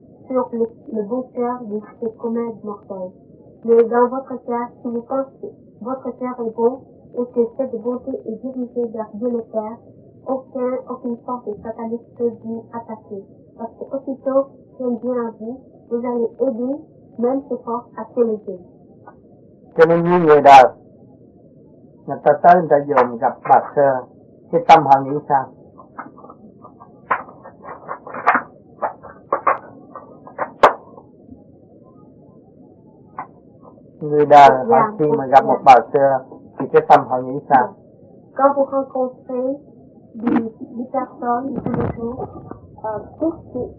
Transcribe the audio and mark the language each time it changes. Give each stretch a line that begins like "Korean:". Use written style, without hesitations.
French: Le bon cœur vous fait commun de mortel. Mais dans votre cœur, si vous pensez que votre cœur est bon et que cette bonté est dirigée vers Dieu le Père, aucune force sataniste ne peut vous attaquer. Parce que aussitôt qu'elle vient à vous, vous allez aider même ces forces à s'éloigner.
Vietnamese: Cho nên những người đời, người ta tới, người ta dồn gặp bà sơ, cái tâm họ nghĩ sao? Người đời và khi mà gặp một bà sư thì cái tâm họ nghĩ sao?
French: Quand vous rencontrez des personnes, des gens, tout ce